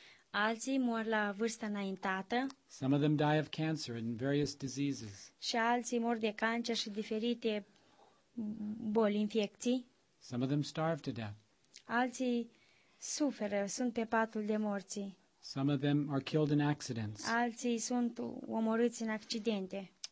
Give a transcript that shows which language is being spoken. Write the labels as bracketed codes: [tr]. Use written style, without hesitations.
[ro] Alții mor la vârsta înaintată. [en] Some of them die of cancer and various diseases. [ro] Și alții mor de cancer și diferite boli, infecții. [en] Some of them starve to death. [ro] Alții suferă, sunt pe patul de morți. [en] Some of them are killed in accidents. [ro] Alții sunt omorâți în accidente.